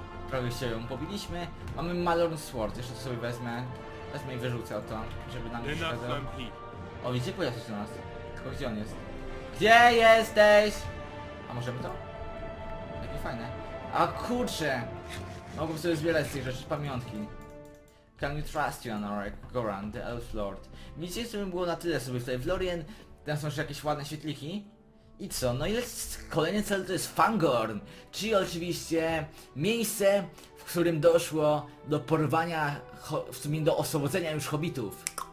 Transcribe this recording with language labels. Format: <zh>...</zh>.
<pl>Prawie się ją pobiliśmy. Mamy Malorn Sword, jeszcze to sobie wezmę. Wezmę i wyrzucę o to, żeby nam nie przeszkadzał. O, widzicie, pojawia się do nas. Tylko gdzie on jest? Gdzie jesteś? A możemy to? Jakie fajne. A kurczę! Mogłem sobie zbierać z tych rzeczy pamiątki.</pl> <en>Can we trust you, Anorak Goran, the Elf Lord?</en> <pl>Widzicie, co by było na tyle sobie tutaj w Lorien. Tam są jeszcze jakieś ładne świetliki. I co? No i kolejny cel to jest Fangorn, czyli oczywiście miejsce, w którym doszło do porwania, w sumie do oswobodzenia już hobbitów.</pl>